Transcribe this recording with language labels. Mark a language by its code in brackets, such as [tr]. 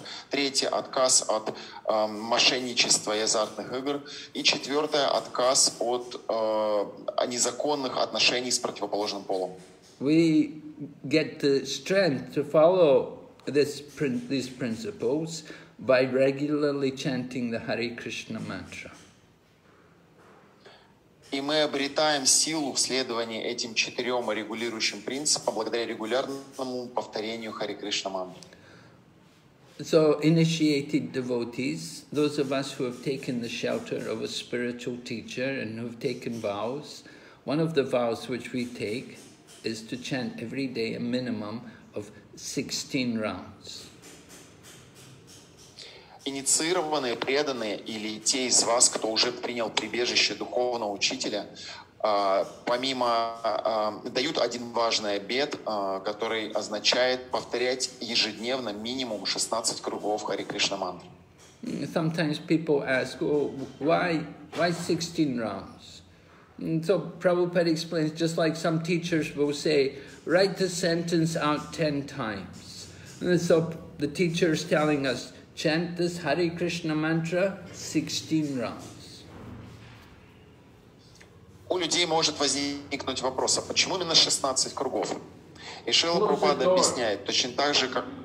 [ru] Третье — отказ от мошенничества и азартных игр. И четвертое — отказ от незаконных отношений с противоположным полом. [en] We get the strength to follow these principles by regularly chanting the Hare Krishna mantra. [ru] И мы обретаем силу в следовании этим четырем регулирующим принципам благодаря регулярному повторению Хари Кришна мантры. [en] So initiated devotees, those of us who have taken the shelter of a spiritual teacher and who have taken vows, one of the vows which we take is to chant every day a minimum of 16 rounds. [ru] Инициированные, преданные или те из вас, кто уже принял прибежище духовного учителя, помимо дают один важный обет, который означает повторять ежедневно минимум 16 кругов Хари Кришна мантры. [en] Sometimes people ask, why 16 rounds? And so Prabhupada explains, just like some teachers will say, write the sentence out 10 times. And so the teacher is telling us, chant this Hare Krishna mantra 16 rounds. [ru] У людей может возникнуть вопрос, а почему именно 16 кругов? И Шрила Прабхупада объясняет, точно так же, как...